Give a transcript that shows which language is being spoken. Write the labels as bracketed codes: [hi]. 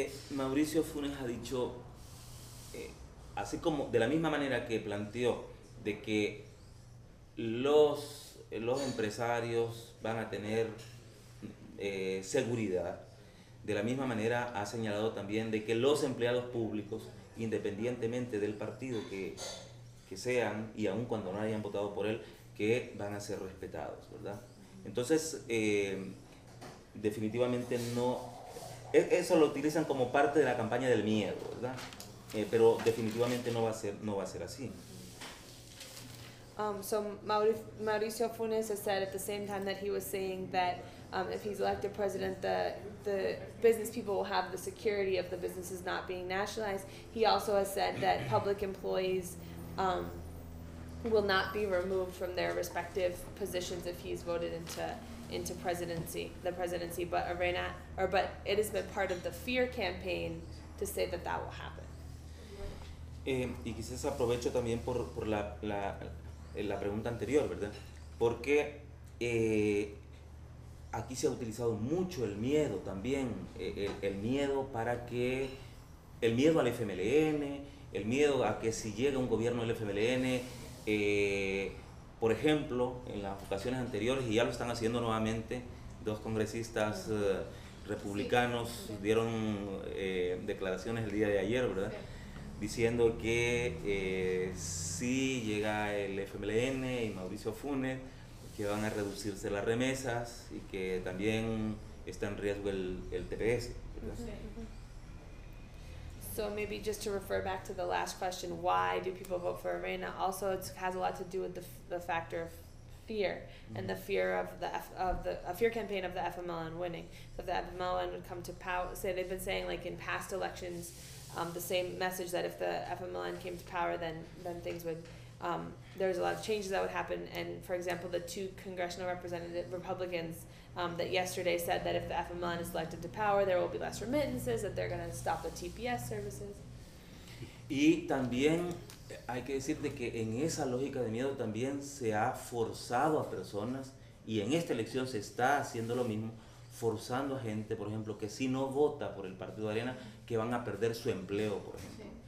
[es] Mauricio Funes ha dicho, así como de la misma manera que planteó, de que los empresarios van a tener seguridad, de la misma manera ha señalado también de que los empleados públicos, independientemente del partido que sean, y aun cuando no hayan votado por él, que van a ser respetados, ¿verdad? Entonces, definitivamente no. Eso lo utilizan como parte de la campaña del miedo, ¿verdad? Pero definitivamente no va a ser así. [en] So Mauricio Funes has said at the same time that he was saying that if he's elected president, the business people will have the security of the businesses not being nationalized. He also has said that public employees will not be removed from their respective positions if he's voted into presidency, the presidency. But Arena, but it has been part of the fear campaign to say that will happen. [es] Y quizás aprovecho también por la pregunta anterior, ¿verdad? Porque aquí se ha utilizado mucho el miedo también, el miedo para que, el miedo al FMLN, el miedo a que si llega un gobierno del FMLN, por ejemplo, en las ocasiones anteriores, y ya lo están haciendo nuevamente, dos congresistas republicanos dieron declaraciones el día de ayer, ¿verdad? Diciendo que si llega el FMLN y Mauricio Funes, que van a reducirse las remesas y que también está en riesgo el TPS. [en] So maybe just to refer back to the last question, why do people vote for Arena? Also, it has a lot to do with the factor of fear and the fear of a fear campaign of the FMLN winning. So if the FMLN would come to power, say they've been saying like in past elections, the same message that if the FMLN came to power, then things would, there's a lot of changes that would happen. And for example, the two congressional representative Republicans that yesterday said that if the FMLN is elected to power, there will be less remittances, that they're going to stop the TPS services. [es] Y también hay que decir de que en esa lógica de miedo también se ha forzado a personas, y en esta elección se está haciendo lo mismo, forzando a gente, por ejemplo, que si no vota por el Partido Arena, que van a perder su empleo, por ejemplo.